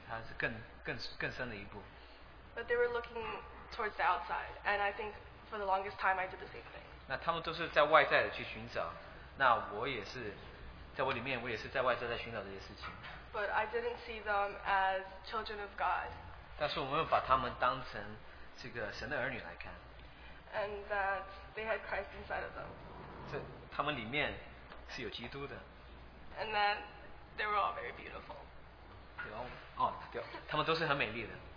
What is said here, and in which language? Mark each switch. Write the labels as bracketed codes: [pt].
[zh] 他不仅是有这些的属性，他是更深的一步。 [en] But they were looking towards the outside, and I think for the longest time I did the same thing. [zh] 那他们都是在外在的去寻找，那我也是，在我里面我也是在外在在寻找这些事情。 [en] But I didn't see them as children of God. [zh] 但是我们把他们当成这个神的儿女来看。 [en] And that they had Christ inside of them. [zh] 这他们里面是有基督的。 [en] And that they were all very beautiful. [zh] 对哦，对，他们都是很美丽的。